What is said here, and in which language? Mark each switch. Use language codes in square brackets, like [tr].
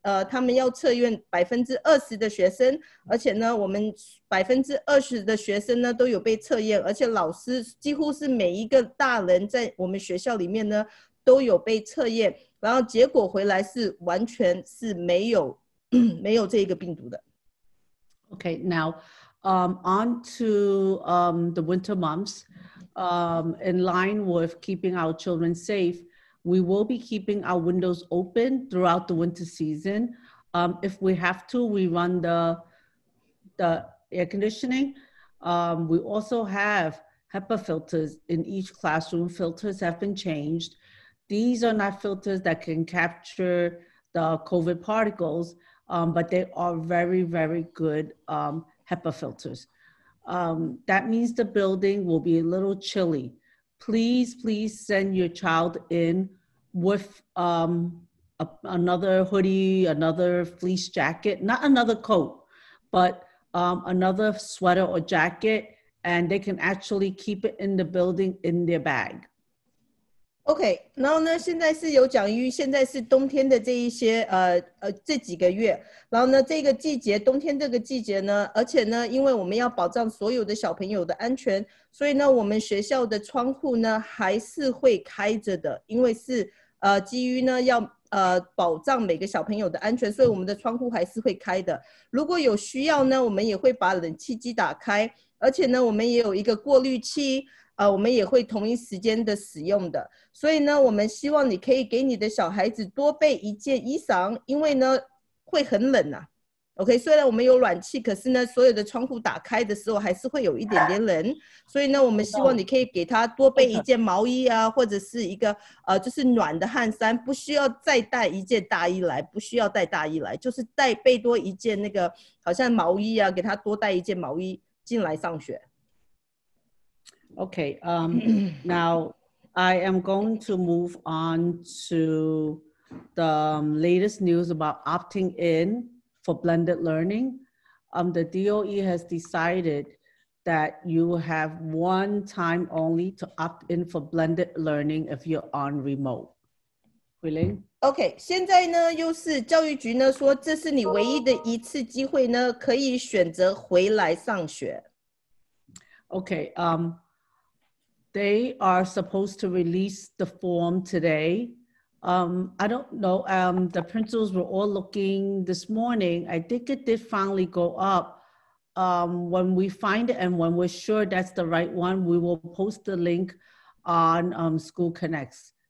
[zh] 他们要测验20%的学生，而且呢我们20%的学生呢都有被测验，而且老师几乎是每一个大人在我们学校里面呢都有被测验，然后结果回来是完全是没有这个病毒的。 [en] Okay, now. On to the winter months, in line with keeping our children safe, we will be keeping our windows open throughout the winter season. If we have to, we run the air conditioning. We also have HEPA filters in each classroom. Filters have been changed. These are not filters that can capture the COVID particles, but they are very, very good. HEPA filters. That means the building will be a little chilly. Please send your child in with another hoodie, another fleece jacket, not another coat, but another sweater or jacket And they can actually keep it in the building in their bag. [zh] Okay, 然后呢，现在是有讲于现在是冬天的这一些这几个月，然后呢这个季节冬天这个季节呢，而且呢，因为我们要保障所有的小朋友的安全，所以呢，我们学校的窗户呢还是会开着的，因为是基于呢要。保障每个小朋友的安全，所以我们的窗户还是会开的。如果有需要呢，我们也会把冷气机打开，而且呢，我们也有一个过滤器，我们也会同一时间的使用的。所以呢，我们希望你可以给你的小孩子多备一件衣裳，因为呢，会很冷啊。 OK， 虽然我们有暖气，可是呢，所有的窗户打开的时候还是会有一点点冷，所以呢，我们希望你可以给他多备一件毛衣啊，或者是一个就是暖的汗衫，不需要再带一件大衣来，不需要带大衣来，就是带备多一件那个好像毛衣啊，给他多带一件毛衣进来上学。 [en] OK， now I am going to move on to the latest news about opting in. For blended learning, the DOE has decided that you have one time only to opt in for blended learning if you're on remote. Huiling? [zh] Okay, 现在呢又是教育局呢说这是你唯一的一次机会呢可以选择回来上学。 [en] Okay, they are supposed to release the form today. I don't know. The principals were all looking this morning. I think it did finally go up. When we find it and when we're sure that's the right one, we will post the link on School Connects.